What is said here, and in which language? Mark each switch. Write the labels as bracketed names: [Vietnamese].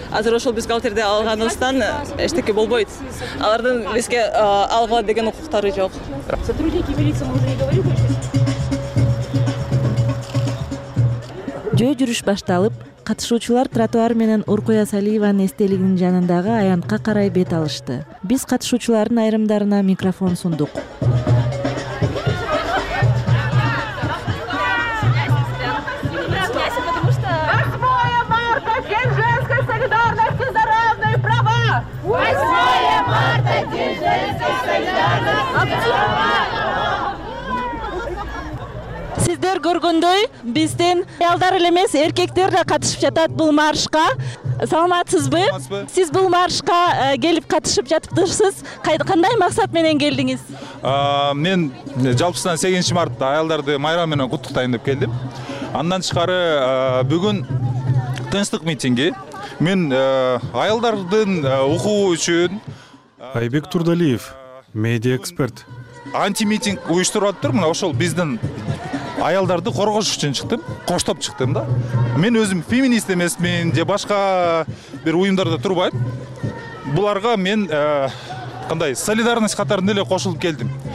[Kyrgyz] Азыр ошол бюстгальтерди алганыбыздан эчтеке болбойт. Алардын бизге алгылат деген укуктары жок. [Russian] Сотрудники милиции уже говорили. [Kyrgyz] Жөө жүрүш башталып, катышуучулар тротуар менен Уркуя Салиеванын эстелигинин жанындагы аянтка карай бет алышты. Биз катышуучулардын айрымдарына микрофон сундук. Сиздер көргөндөй, биздин аялдар эле эмес, эркектер да катышып жатат бул маршка. Саламатсызбы? Сиз бул маршка келип катышып жатыптырсыз. Кандай максат менен келдиңиз? Мен жалпысынан 8-мартта аялдарды майрам менен куттуктайын деп келдим. Андан тышкары бүгүн тынчтык митинги. Мен аялдардын укугу үчүн Айбек Турдалиев, медиа эксперт. Антимитинг уюштурулуп атыптыр, мына ошол биздин аялдарды коргош үчүн чыктым, коштоп чыктым да. Мен өзүм феминист эмесмин же башка бир уюмдарда турбайм. Буларга мен кандай солидарность катарында эле кошулуп келдим.